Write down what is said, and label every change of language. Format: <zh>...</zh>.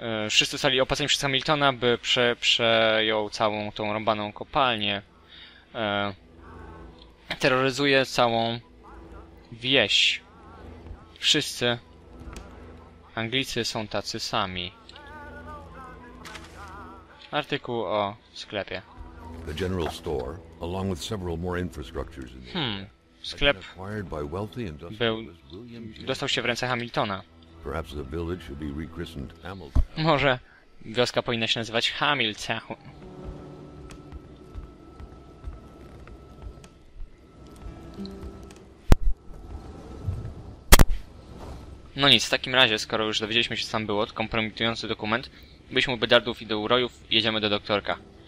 <pl>wszyscy stali opłaceni przez Hamiltona, by przejął całą tą rąbaną kopalnię. Terroryzuje całą wieś. Wszyscy Anglicy są tacy sami. Artykuł o sklepie.</pl> <en>The general store, along with several more infrastructures in the</en> <pl>sklep był, dostał się w ręce Hamiltona.</pl> <en>Perhaps the village should be rechristened Hamilton.</en> <pl>Może wioska powinna się nazywać Hamilton. No nic, w takim razie, skoro już dowiedzieliśmy się, co tam było, to kompromitujący dokument, byliśmy u Bedardów i do Urojów, jedziemy do doktorka.</pl>